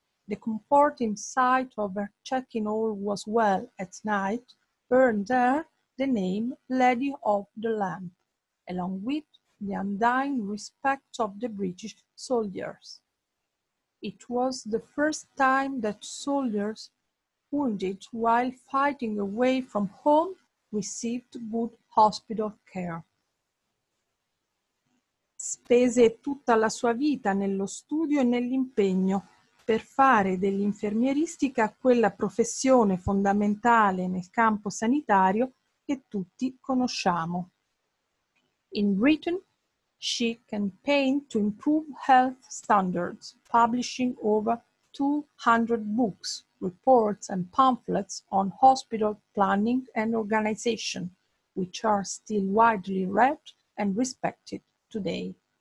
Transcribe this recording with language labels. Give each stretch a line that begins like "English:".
English: The comforting sight of her checking all was well at night earned her the name Lady of the Lamp, along with the undying respect of the British soldiers. It was the first time that soldiers wounded while fighting away from home received good hospital care.
Italian: Spese tutta la sua vita nello studio e nell'impegno per fare dell'infermieristica quella professione fondamentale nel campo sanitario che tutti conosciamo.
English: In Britain, she campaigned to improve health standards, publishing over 200 books, reports and pamphlets on hospital planning and organization, which are still widely read and respected today.